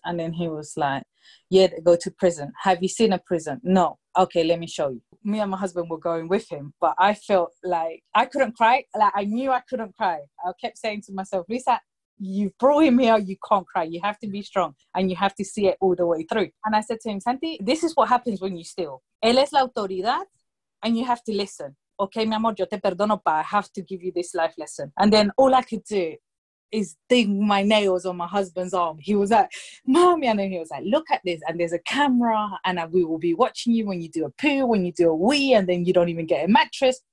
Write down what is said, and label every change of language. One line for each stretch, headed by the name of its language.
English: And then he was like, yeah, they go to prison. Have you seen a prison? No. Okay, let me show you. Me and my husband were going with him, but I felt like I couldn't cry. Like, I knew I couldn't cry. I kept saying to myself, Lisa, you've brought him here, you can't cry. You have to be strong and you have to see it all the way through. And I said to him, Santi, this is what happens when you steal.
Spanish: Él es la autoridad
English: and you have to listen. Okay,
Spanish: mi amor, yo te perdono,
English: but I have to give you this life lesson. And then all I could do is dig my nails on my husband's arm. He was like, mommy. And then he was like, look at this. And there's a camera and we will be watching you when you do a poo, when you do a wee, and then you don't even get a mattress.